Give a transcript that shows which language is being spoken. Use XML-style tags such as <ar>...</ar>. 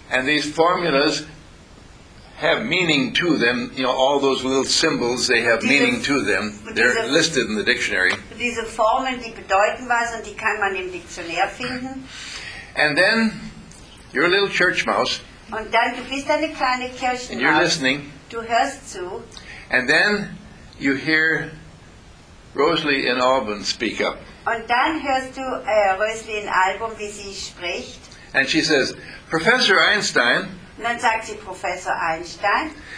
<en>And these formulas have meaning to them, you know, all those little symbols, they have meaning to them. They're listed in the dictionary.</en> <de>Diese Formeln, die bedeuten was und die kann man im Diktionär finden.</de> <en>And then, you're a little church mouse.</en> <de>Und dann, du bist eine kleine Kirchenmaus.</de> <en>And you're listening.</en> <de>Du hörst zu.</de> <en>And then, you hear Rosalie in Auburn speak up.</en> <de>Und dann hörst du Rosalie in Auburn, wie sie spricht.</de> <en>And she says, Professor Einstein,</en> <de>und dann sagt sie, Professor Einstein,</de>